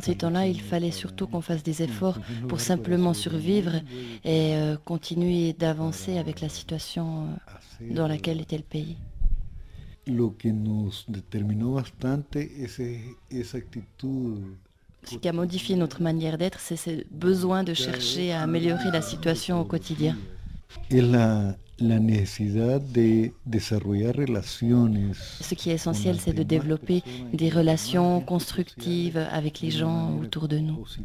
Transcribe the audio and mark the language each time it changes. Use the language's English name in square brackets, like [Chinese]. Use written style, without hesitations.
[French] ces temps-là, il fallait surtout qu'on fasse des efforts pour simplement survivre et continuer d'avancer avec la situation dans laquelle était le pays. [Spanish] Lo que nos determinó bastante es esa actitud. [French] Ce qui a modifié notre manière d'être, c'est ce besoin de chercher à améliorer la situation au quotidien. [Spanish] Et la necesidad de desarrollar relaciones. [French] Ce qui est essentiel, c'est de développer des relations constructives avec les gens autour de nous.